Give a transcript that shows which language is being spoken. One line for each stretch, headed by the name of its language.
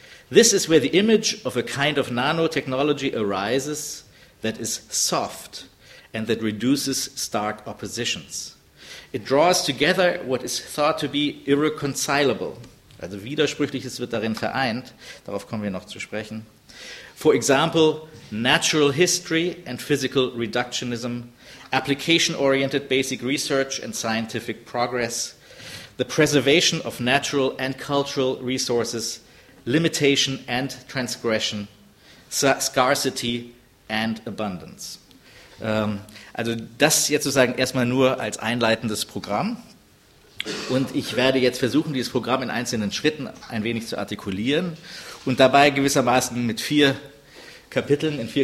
English: This is where the image of a kind of nanotechnology arises that is soft and that reduces stark oppositions. It draws together what is thought to be irreconcilable."
German: Also Widersprüchliches wird darin vereint, darauf kommen wir noch zu sprechen.
English: "For example, natural history and physical reductionism, application-oriented basic research and scientific progress, the preservation of natural and cultural resources, limitation and transgression, scarcity and abundance."
German: Also das jetzt sozusagen erstmal nur als einleitendes Programm. Und ich werde jetzt versuchen, dieses Programm in einzelnen Schritten ein wenig zu artikulieren und dabei gewissermaßen mit vier Kapiteln